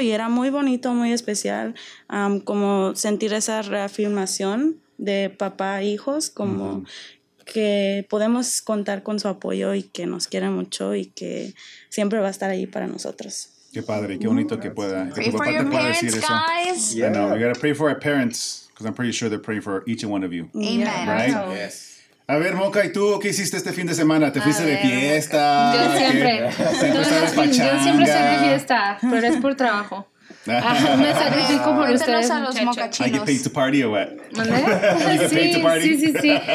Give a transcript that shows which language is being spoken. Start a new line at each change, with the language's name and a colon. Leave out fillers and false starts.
Spanish: Y era muy bonito, muy especial, como sentir esa reafirmación de papá e hijos, como que podemos contar con su apoyo y que nos quiere mucho y que siempre va a estar ahí para nosotros. Qué padre, qué bonito que pueda.
English: Pray for your parents, guys.
Spanish: Eso. Yeah.
English: I know, we gotta pray for our parents, because I'm pretty sure they're praying for each and one of you. Amen. Right? Yes.
Spanish: A ver, Moca, ¿y tú qué hiciste este fin de semana? ¿Te fuiste de fiesta? Yo siempre. Yo siempre soy de fiesta, pero es por trabajo. Me sacrifico por ustedes, muchachos.
English: ¿Are you paid to party or what?
Spanish: Sí.